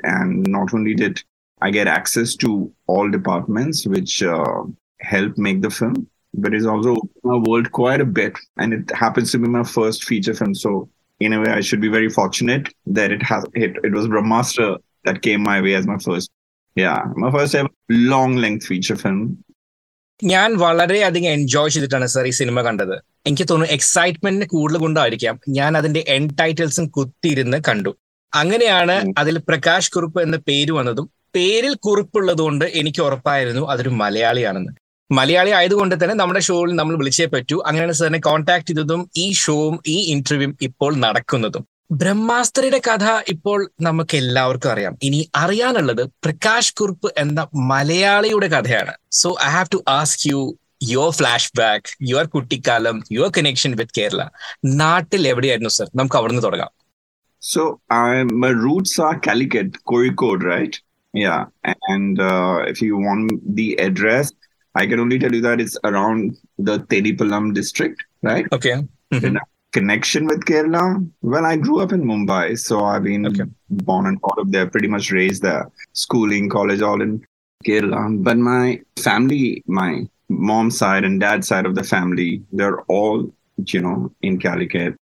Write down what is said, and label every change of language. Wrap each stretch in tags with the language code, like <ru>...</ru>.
<en>And not only did I get access to all departments, which help make the film, but it's also opened my world quite a bit. And it happens to be my first feature film. So in a way, I should be very fortunate that it was Brahmastra that came my way as my first. Yeah. My first ever long length feature film.</en> <ml>ഞാൻ വളരെയധികം enjoy ചെയ്തിട്ടാണ് sir ഈ cinema കണ്ടത്. എനിക്ക് തോന്നുന്നു എക്സൈറ്റ്മെന്റിന് കൂടുതൽ കൊണ്ടായിരിക്കാം ഞാൻ അതിന്റെ എൻ ടൈറ്റിൽസും കുത്തിയിരുന്ന് കണ്ടു. അങ്ങനെയാണ് അതിൽ പ്രകാശ് കുറുപ്പ് എന്ന പേര് വന്നതും. പേരിൽ കുറുപ്പുള്ളത് കൊണ്ട് എനിക്ക് ഉറപ്പായിരുന്നു അതൊരു മലയാളിയാണെന്ന്. മലയാളി ആയതുകൊണ്ട് തന്നെ നമ്മുടെ ഷോയിൽ നമ്മൾ വിളിച്ചേ പറ്റൂ. അങ്ങനെയാണ് സാറിനെ കോൺടാക്ട് ചെയ്തതും ഈ ഷോവും ഈ ഇന്റർവ്യൂവും ഇപ്പോൾ നടക്കുന്നതും. ബ്രഹ്മാസ്ത്രയുടെ കഥ ഇപ്പോൾ നമുക്ക് എല്ലാവർക്കും അറിയാം. ഇനി അറിയാനുള്ളത് പ്രകാശ് കുറുപ്പ് എന്ന മലയാളിയുടെ കഥയാണ്.</ml> <en>so I have to ask you your flashback, your</en> <ml>കുട്ടിക്കാലം,</ml> <en>Your connection with Kerala.</en> <ml>നാട്ടിൽ എവിടെയായിരുന്നു സർ? നമുക്ക് അവിടുന്ന് തുടങ്ങാം.</ml> <en>So my roots are Calicut, Kozhikode, right? Yeah. And if you want the address, I can only tell you that it's around the Thenhipalam district, right? Okay. Connection with Kerala? Well, I grew up in Mumbai, so I've been born and brought up there, pretty much raised there, schooling, college, all in Kerala. But my family, my mom's side and dad's side of the family, they're all, you know, in Calicut.</en>